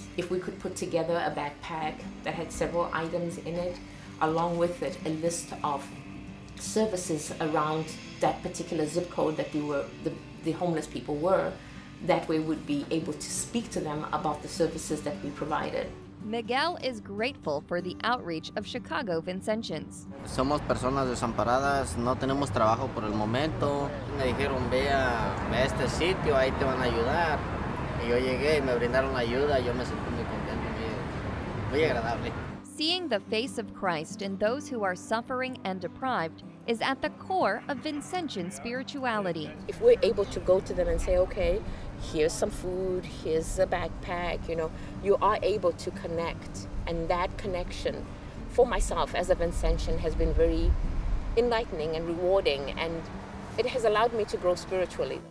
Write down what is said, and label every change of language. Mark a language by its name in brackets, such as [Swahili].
[English] If we could put together a backpack that had several items in it, along with it, a list of services around that particular zip code that the homeless people were, that way we'd be able to speak to them about the services that we provided. Miguel is grateful for the outreach of Chicago Vincentians. [Spanish] Somos personas desamparadas, no tenemos trabajo por el momento. Me dijeron, ve a este sitio, ahí te van a ayudar. yo llegué y me brindaron ayuda, yo me sentí muy contento, muy agradable. [English] Seeing the face of Christ in those who are suffering and deprived is at the core of Vincentian spirituality. If we're able to go to them and say, okay, here's some food, here's a backpack, you know, you are able to connect. And that connection for myself as a Vincentian has been very enlightening and rewarding, and it has allowed me to grow spiritually.